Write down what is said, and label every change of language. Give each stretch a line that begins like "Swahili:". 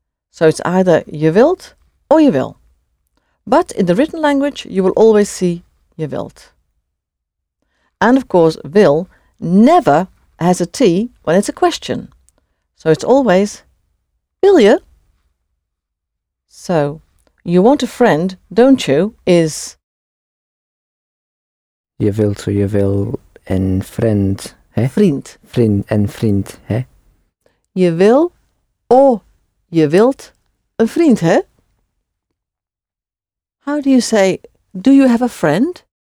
English: So it's either
Dutch: je wilt or je wil.
English: But in the written language, you will always see
Dutch: je wilt.
English: And of course, wil never has a T when it's a question. So it's always,
Dutch: wil je?
English: So, you want a friend, don't you, is...
Dutch: Je wilt of je wil een vriend, hè? Vriend. Vriend, een vriend, hè? Je wil of je wilt een vriend, hè?
English: How do you say, do you have a friend?